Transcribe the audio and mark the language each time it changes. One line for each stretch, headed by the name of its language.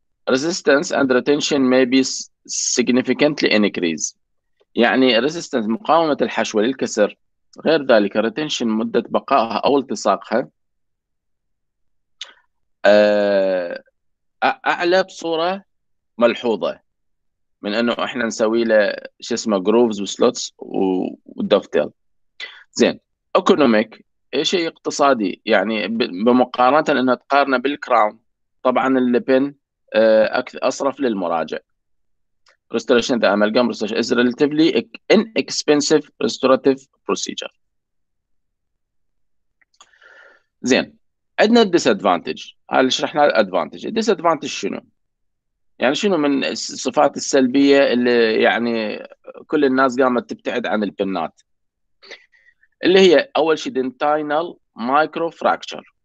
English: resistance and retention may be significantly increase،
Arabic: يعني resistance مقاومة الحشوة للكسر، غير ذلك retention مدة بقائها أو التصاقها أعلى بصورة ملحوظة من أنه إحنا نسوي له شو اسمه grooves وslots ودوفتيل. زين، economic شيء اقتصادي، يعني بمقارنة أنه تقارنه بالكراون، طبعا اللبن أكثر أصرف للمراجع.
English: Restoration the amalgam restoration is relatively inexpensive restorative procedure.
Arabic: زين، عندنا disadvantage، هل شرحنا الادفانتج؟ disadvantage شنو؟ يعني شنو من الصفات السلبية اللي يعني كل الناس قامت تبتعد عن البنات؟ اللي هي أول شيء dentinal microfracture،